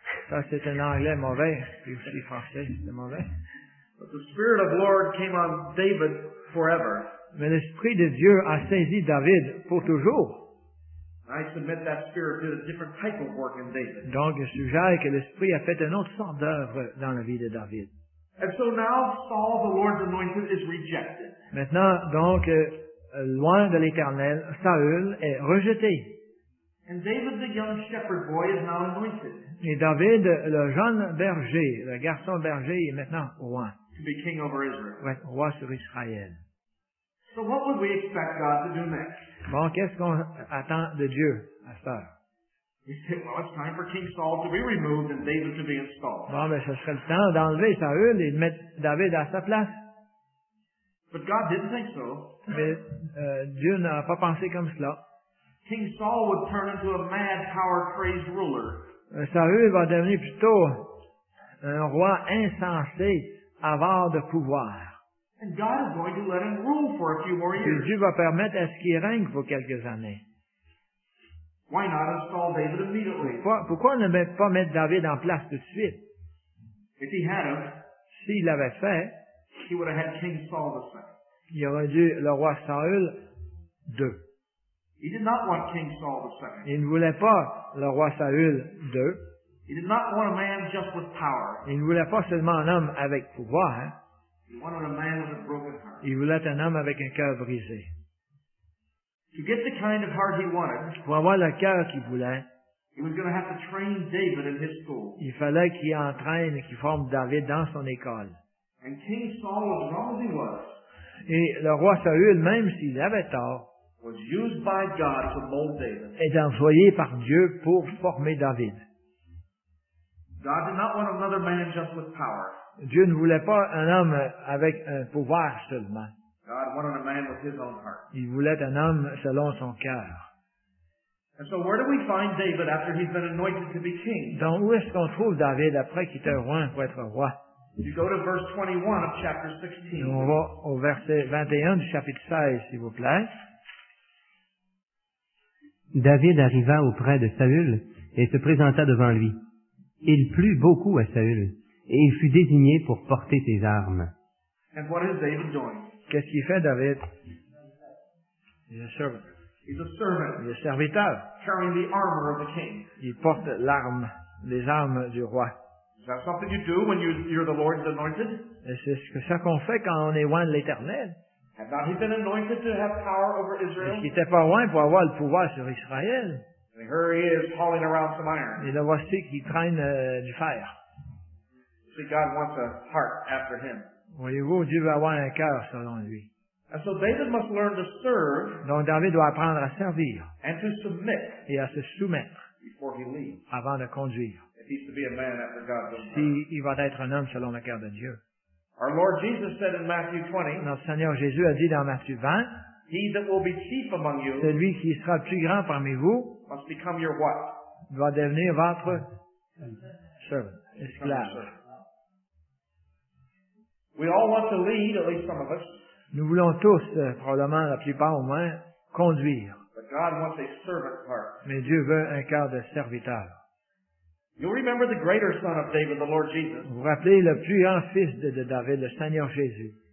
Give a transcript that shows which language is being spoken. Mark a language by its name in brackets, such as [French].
[French] Ça, c'est un anglais mauvais, puis aussi français, c'est mauvais. [English] But the spirit of the Lord came on David forever. [French] Mais l'esprit de Dieu a saisi David pour toujours. [English] I submit that spirit did a different type of work in David. [French] Donc, je suggère que l'esprit a fait une autre sorte d'œuvre dans la vie de David. [English] And so now Saul, the Lord's anointed, is rejected. [French] Maintenant, donc, loin de l'Éternel, Saül est rejeté. [English] And David, the young shepherd boy, is now anointed. [French] Et David, le jeune berger, le garçon berger, est maintenant roi. [English] To be king over Israel. [French] Ouais, roi sur Israël. [English] So what would we expect God to do next? [French] Bon, qu'est-ce qu'on attend de Dieu à cette heure? [English] Well, it's time for King Saul to be removed and David to be installed. [French] Bon, mais ce serait le temps d'enlever Saül et de mettre David à sa place. [English] But God didn't think so. [French] Mais Dieu n'a pas pensé comme cela. [English] King Saul would turn into a mad, power-crazed ruler. [French] Saül va devenir plutôt un roi insensé, avare de pouvoir. [English] And God is going to let him rule for a few more years. [French] Et Dieu va permettre à ce qu'il règne pour quelques années. [English] Why not install David immediately? [French] Pourquoi ne pas mettre David en place tout de suite? [English] If he had him, [French] s'il l'avait fait, [English] he would have had King Saul the second. [French] Il aurait dû le roi Saül II. [English] He did not want King Saul the second. [French] Il ne voulait pas le roi Saül II. [English] He did not want a man just with power. [French] Il ne voulait pas seulement un homme avec pouvoir. [English] He wanted a man with a broken heart. [French] Il voulait un homme avec un cœur brisé. [English] To get the kind of heart he wanted, [French] pour avoir le cœur qu'il voulait, [English] he was going to have to train David in his school. [French] Il fallait qu'il entraîne et qu'il forme David dans son école. [English] And King Saul, as wrong as he was, [French] et le roi Saül, même s'il avait tort, [English] was used by God to mold David. [French] Est envoyé par Dieu pour former David. [English] God did not want another man just with power. [French] Dieu ne voulait pas un homme avec un pouvoir seulement. [English] God wanted a man with his own heart. [French] Il voulait un homme selon son cœur. [English] And so where do we find David after he's been anointed to be king? [French] Donc où est-ce qu'on trouve David après qu'il était roi pour être roi? [English] You go to verse 21 of chapter 16. [French] On va au verset 21 du chapitre 16, s'il vous plaît. David arriva auprès de Saül et se présenta devant lui. Il plut beaucoup à Saül et il fut désigné pour porter ses armes. [English] And what is David doing? [French] Qu'est-ce qu'il fait, David? Il est servant. [English] He's a servant. [French] Il est serviteur. [English] Carrying the armor of the king. [French] Il porte l'arme, les armes du roi. [English] Is that something you do when you're the Lord's anointed? [French] Et c'est ce que ça qu'on fait quand on est loin de l'Éternel. [English] Had not he been anointed to have power over Israel? [French] Est-ce qu'il était pas loin pour avoir le pouvoir sur Israël? [English] And here he is hauling around some iron. [French] Et le voici qui traîne du fer. [English] See, God wants a heart after him. [French] Voyez-vous, Dieu veut avoir un cœur selon lui. [English] And so David must learn to serve. [French] Donc David doit apprendre à servir. [English] And to submit. [French] Et à se soumettre. [English] Before he leaves. [French] Avant de conduire. [English] If he's to be a man after God's will. [French] Si il va être un homme selon le cœur de Dieu. [English] Our Lord Jesus said in Matthew 20. [French] Notre Seigneur Jésus a dit dans Matthieu 20. [English] He that will be chief among you. [French] Celui qui sera le plus grand parmi vous. [English] Must become your what? [French] Doit devenir votre servant. Esclave. [English] We all want to lead, at least some of us. [French] Nous voulons tous, probablement la plupart au moins, conduire. [English] But God wants a servant heart. [French] Mais Dieu veut un cœur de serviteur. [English] You'll remember the greater son of David, the Lord Jesus. [French] Vous vous rappelez le plus grand fils de David, le Seigneur Jésus.